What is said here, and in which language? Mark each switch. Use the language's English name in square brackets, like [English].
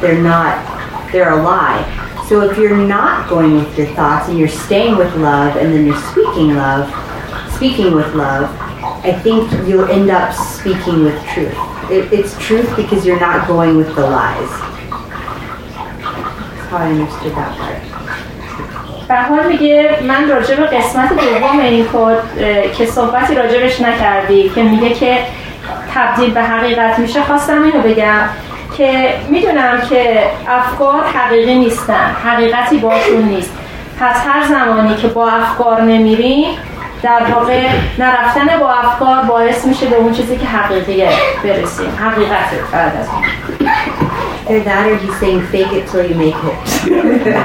[English] They're not, they're a lie. So if you're not going with your thoughts and you're staying with love and then you're speaking with love, I think you'll end up speaking with truth. It's truth because you're not going with the lies. That's how I understood that part. [Persian] بهار میگه من راجع به قسمت دوم این کد که صحبتی راجعش نکردی که میگه که تبدیل به حقیقت میشه خواستم اینو بگم که میدونم که افکار حقیقی نیستن، حقیقتی باشون نیست. پس هر زمانی که با افکار نمیریم، در واقع نرفتن با افکار باعث میشه به اون چیزی که حقیقیه برسیم. حقیقت بعد از اون. [English] Is that or he's saying fake it till you make it?